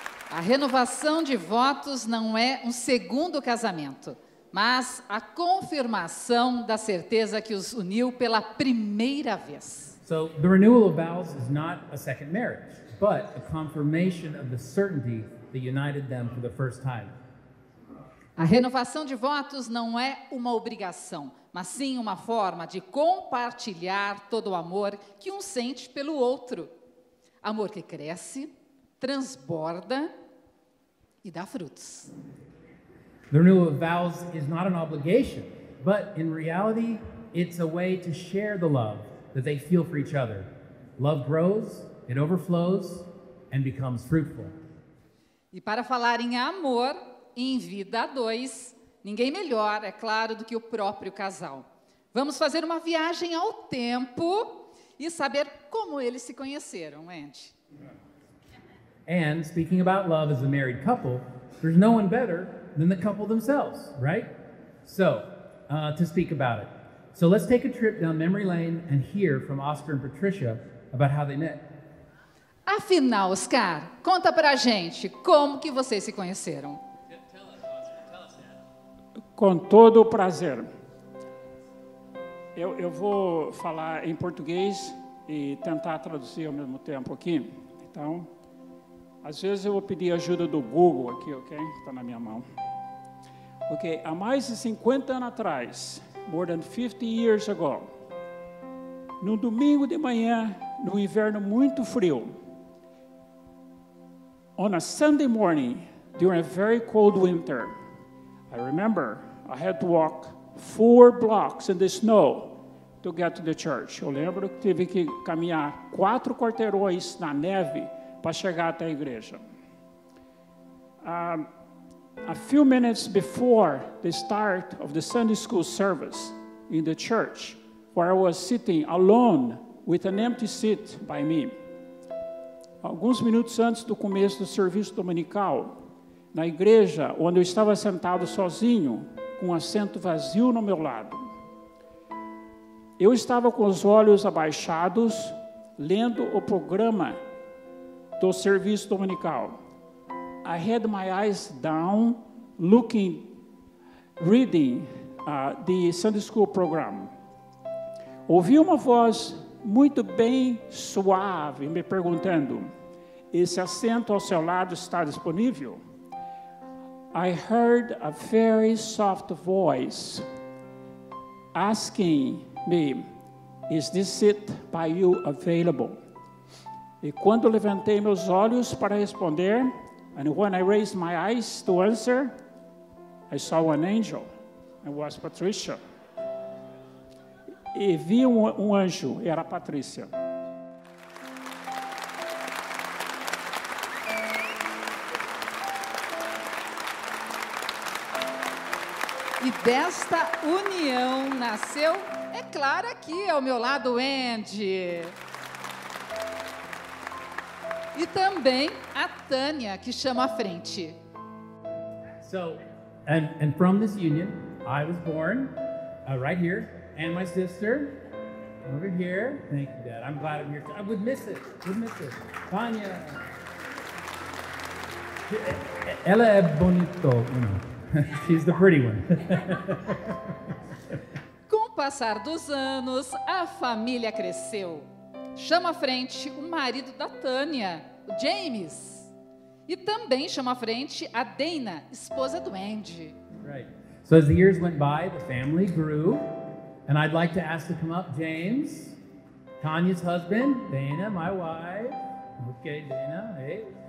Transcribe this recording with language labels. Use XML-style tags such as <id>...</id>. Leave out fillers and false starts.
<pt>A renovação de votos não é um segundo casamento, mas a confirmação da certeza que os uniu pela primeira vez.</pt> <en>So, the renewal of vows is not a second marriage, but a confirmation of the certainty that united them for the first time.</en> <pt>A renovação de votos não é uma obrigação, mas sim uma forma de compartilhar todo o amor que um sente pelo outro. Amor que cresce, transborda e dá frutos.</pt> <en>The renewal of vows is not an obligation, but in reality, it's a way to share the love that they feel for each other. Love grows, it overflows, and becomes fruitful.</en> <pt>E para falar em amor, em vida a dois, ninguém melhor, é claro, do que o próprio casal. Vamos fazer uma viagem ao tempo e saber como eles se conheceram, Andy.</pt> <en>And speaking about love as a married couple, there's no one better than the couple themselves, right? So, to speak about it. So let's take a trip down memory lane and hear from Oscar and Patricia about how they met.</en> <pt>Afinal, Oscar, conta pra gente como que vocês se conheceram. Com todo o prazer. Eu vou falar em português e tentar traduzir ao mesmo tempo aqui. Então, Às vezes eu vou pedir ajuda do Google aqui, ok? Está na minha mão. Ok, há mais de 50 anos atrás,</pt> <en>more than 50 years ago,</en> <pt>no domingo de manhã, no inverno muito frio,</pt> <en>on a Sunday morning, during a very cold winter, I remember I had to walk 4 blocks in the snow to get to the church.</en> <pt>Eu lembro que tive que caminhar 4 quarteirões na neve para chegar até a igreja.</pt> <en>A few minutes before the start of the Sunday school service in the church, where I was sitting alone with an empty seat by me.</en> <pt>Alguns minutos antes do começo do serviço dominical, na igreja, onde eu estava sentado sozinho, com um assento vazio no meu lado. Eu estava com os olhos abaixados, lendo o programa do serviço dominical.</pt> <en>I had my eyes down, looking, reading the Sunday school program.</en> <pt>Ouvi uma voz muito bem suave me perguntando: esse assento ao seu lado está disponível?</pt> <en>I heard a very soft voice asking me, is this seat by you available?</en> <pt>E quando levantei meus olhos para responder,</pt> <en>and when I raised my eyes to answer, I saw an angel. It was Patricia.</en> <pt>E vi um anjo, era Patrícia. E desta união nasceu, é claro, aqui ao meu lado, Andy. E também a Tânia, que chama à frente.</pt> <en>So, and from this union, I was born right here. And my sister, over here. Thank you, Dad. I'm glad I'm here. I would miss it. Tanya.</en> <es>Ella es bonito.</es> <en>She's the pretty one.</en> <pt>Com o passar dos anos, a família cresceu. Chama à frente o marido da Tânia, o James. E também chama à frente a Dana, esposa do Andy.</pt> <en>Right. So as the years went by, the family grew. And I'd like to ask to come up James, Tanya's husband, Dana, my wife. Okay, Dana, hey.</en>